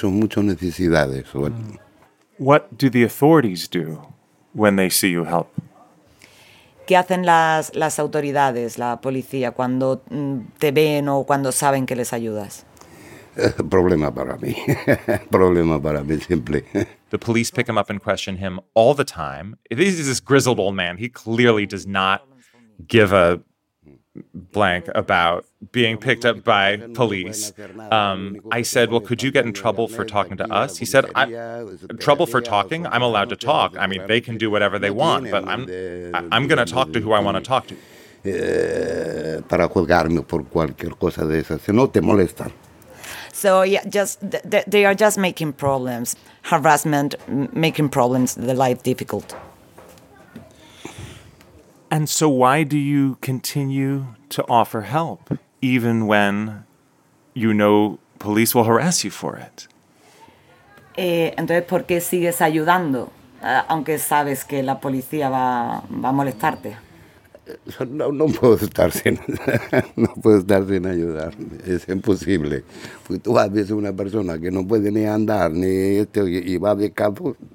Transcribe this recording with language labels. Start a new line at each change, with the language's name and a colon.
English: What do the authorities do when they see you help?
Spanish: ¿Qué hacen las autoridades, la policía, cuando te ven o cuando saben que les ayudas? Problema para mí. Problema para mí, simple.
English: The police pick him up and question him all the time. This is this grizzled old man. He clearly does not give a blank about being picked up by police. I said, well, could you get in trouble for talking to us? He said, trouble for talking? I'm allowed to talk. I mean, they can do whatever they want, but I'm going to talk to who I want to talk to.
Spanish: Para juzgarme por cualquier cosa de esas. Si no te molestan.
English: So yeah, just they are just making problems, harassment, making problems, the life difficult. And so why do you continue to offer help, even when you know police will harass you for it?
Spanish: Entonces, ¿por qué sigues ayudando, aunque sabes que la policía va a molestarte? No puedo estar sin, no puedo estar sin ayudar. Es imposible. Tú ves una persona que no puede ni andar ni esto y va de campo.